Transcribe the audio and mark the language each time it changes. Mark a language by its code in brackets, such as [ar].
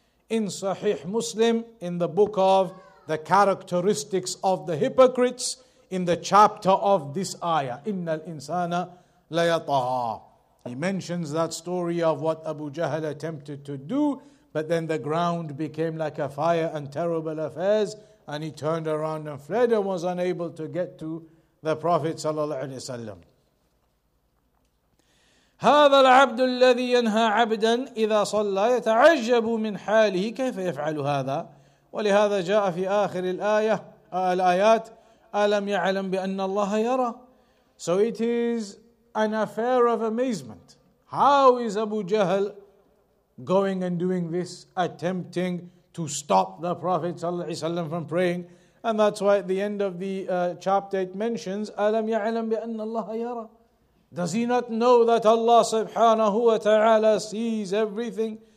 [en] In Sahih Muslim, in the book of the characteristics of the hypocrites, in the chapter of this ayah, [ar] innal insana layatagha. [en] He mentions that story of what Abu Jahl attempted to do, but then the ground became like a fire and terrible affairs, and he turned around and fled and was unable to get to the Prophet sallallahu alaihi wasallam. [ar] هذا العبد الذي ينهى عبدا إذا صلى يتعجب من حاله كيف يفعل هذا ولهذا جاء في آخر الآية الآيات ألم يعلم بأن الله يرى. [en] So it is an affair of amazement. How is Abu Jahl going and doing this, attempting to stop the Prophet ﷺ from praying? And that's why at the end of the chapter it mentions, [ar] أَلَمْ يَعْلَمْ بِأَنَّ اللَّهَ يَرَى. [en] Does he not know that Allah subhanahu wa ta'ala sees everything?